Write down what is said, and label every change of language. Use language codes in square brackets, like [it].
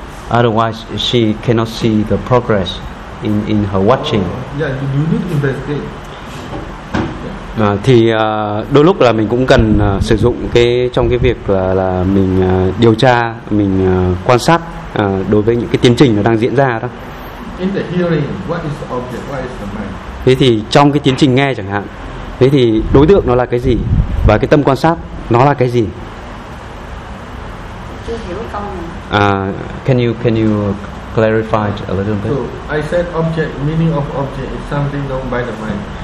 [en] Otherwise, she cannot see the progress in her watching. Yeah, you need to investigate. [vi] Thì đôi lúc là mình cũng cần sử dụng trong việc là mình điều tra, mình quan sát đối với những tiến trình nó đang diễn ra đó. [en] In the hearing, what is the object, what is the mind? [vi] Thế thì trong tiến trình nghe chẳng hạn, thế thì đối tượng nó là cái gì và tâm quan sát nó là cái gì? Chưa hiểu câu này. [en] Can you clarify a little bit? So I said object, meaning of object is something known by the mind.